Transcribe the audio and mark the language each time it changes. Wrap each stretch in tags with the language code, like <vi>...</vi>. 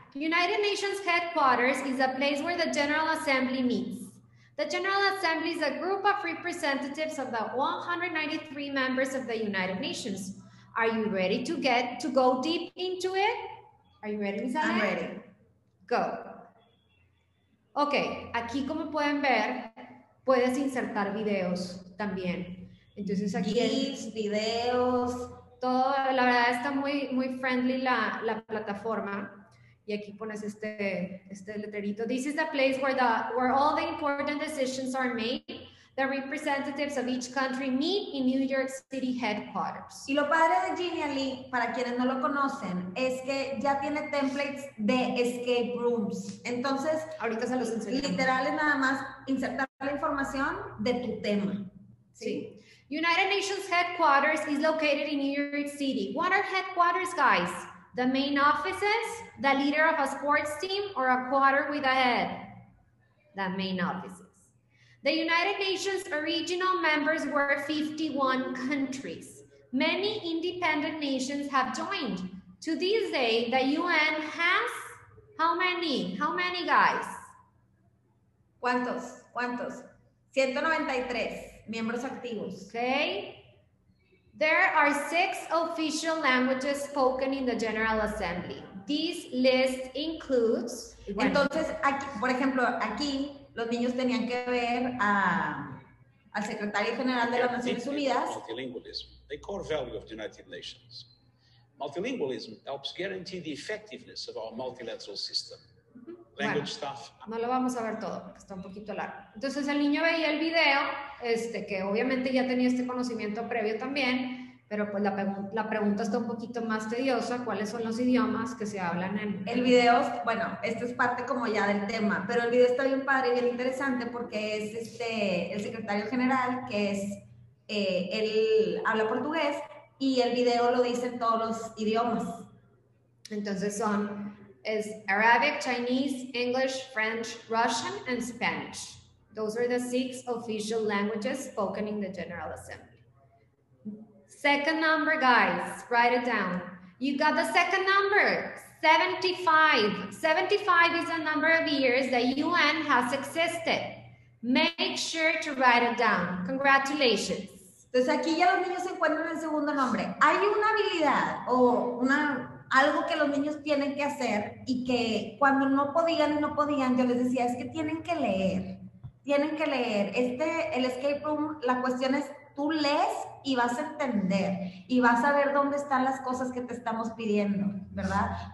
<en>United Nations headquarters is a place where the General Assembly meets. The General Assembly is a group of representatives of the 193 members of the United Nations. Are you ready to get to go deep into it? Are you ready, Misa? I'm ready. Go.</en> <es>Okay, aquí como pueden ver, puedes insertar videos también. Entonces aquí GIFs, videos, todo, la verdad está muy muy friendly la plataforma. Y aquí pones este letrerito.</es> <en>This is the place where all the important decisions are made. The representatives of each country meet in New York City headquarters.</en> <es>Y lo padre de Genially, para quienes no lo conocen, es que ya tiene templates de escape rooms. Entonces, ahorita se los enseño. Literal es nada más insertar la información de tu tema.</es> <en>Sí. United Nations headquarters is located in New York City. What are headquarters, guys? The main offices, the leader of a sports team, or a quarter with a head? The main offices. The United Nations original members were 51 countries. Many independent nations have joined. To this day, the UN has how many? How many, guys?</en> <es>¿Cuántos? ¿Cuántos? 193 miembros activos.</es> <en>Okay. There are 6 official languages spoken in the General Assembly. This list includes...</en> <es>Bueno. Entonces, aquí, por ejemplo, aquí los niños tenían que ver al Secretario General de las Naciones Unidas.</es> <en>Multilingualism, the core value of the United Nations. Multilingualism helps guarantee the effectiveness of our multilateral system. Language</en> <es>bueno,</es> <en>staff...</en> <es>No lo vamos a ver todo, porque está un poquito largo. Entonces, el niño veía el video... que obviamente ya tenía este conocimiento previo también, pero pues la pregunta está un poquito más tediosa, ¿cuáles son los idiomas que se hablan en...? El video, bueno, esto es parte como ya del tema, pero el video está bien padre y bien interesante porque es el secretario general, que es, él habla portugués, y el video lo dice en todos los idiomas. Entonces son, es</es> <en>Arabic, Chinese, English, French, Russian, and Spanish. Those are the 6 official languages spoken in the General Assembly. Second number, guys, write it down. You got the second number, 75. 75 is the number of years the UN has existed. Make sure to write it down. Congratulations.</en> <es>Entonces aquí ya los niños se encuentran el segundo nombre. Hay una habilidad o algo que los niños tienen que hacer y que cuando no podían y no podían, yo les decía, es que tienen que leer. Tienen que leer. El escape room, la cuestión es, tú lees y vas a entender y vas a ver dónde están las cosas que te estamos pidiendo, ¿verdad?</es>